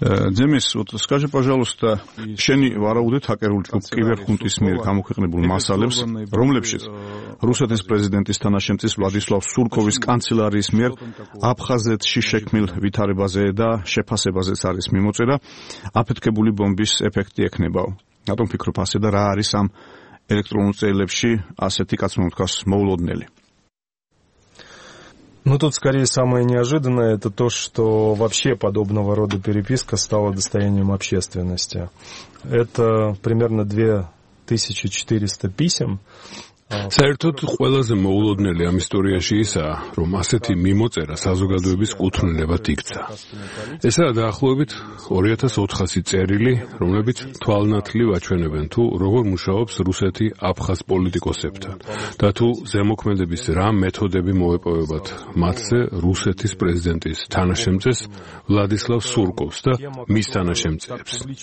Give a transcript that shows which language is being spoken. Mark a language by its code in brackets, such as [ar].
[ru] Демис, вот скажи, пожалуйста, [ka] შენი ვარაუდეთ ჰაკერული ჯგუფი კიბერხუნტის მიერ გამოქვეყნებულ მასალებს, რომლებშიც რუსეთის პრეზიდენტის თანაშემწის ვლადისლავ სურკოვის კანცელარიის მიერ აფხაზეთში შექმნილ ვითარებაზე და შეფასებაზეც არის მიმოწერა, აფეთქებული ბომბის ეფექტი ექნებაო? რატომ ფიქრობ ასე და რა არის ამ ელექტრონულ წერილებში ასეთი კაცმომთქას მოულოდნელი? [ru] Ну тут скорее самое неожиданное это то, что вообще подобного рода переписка стала достоянием общественности. Это примерно 2400 писем. [ka] Certot ყველაზე მოულოდნელი ამ ისტორიაში ისა, რომ ასეთი მიმოწერა საზოგადოების კუთვნილებად იქცა. ეს არის დაახლოებით 2400 წერილი, რომლებიც თვალნათლივ აჩვენებენ, თუ როგორ მუშაობს რუსეთი აფხაზ პოლიტიკოსებთან და თუ ზემოქმედების რა მეთოდები მოეპოვებათ მათზე რუსეთის პრეზიდენტის თანაშემწეს ვლადისლავ სურკოვს და მის თანაშემწეებს.